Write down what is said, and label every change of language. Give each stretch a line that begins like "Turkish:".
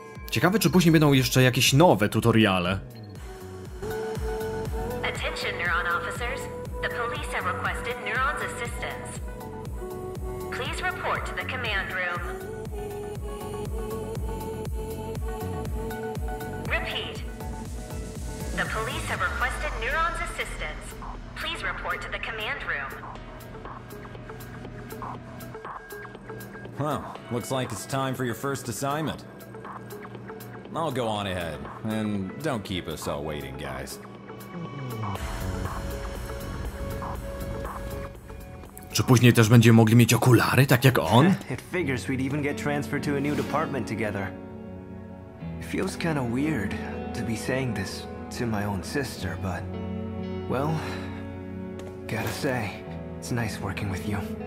Polish: Ciekawe, czy później będą jeszcze jakieś nowe tutoriale.
English: Attention, neuron officers. The police have requested neuron's assistance. Please report to the command room. Repeat. The police have requested neuron's assistance. Please report to the command room. Well, looks like it's time for your first assignment. I'll go on ahead, and don't keep us all waiting, guys.
Polish: Czy później też będziemy mogli mieć okulary, tak jak on?
English: It figures we'd even get transferred to a new department together. It feels kind of weird to be saying this to my own sister, but... Well, gotta say, it's nice working with you.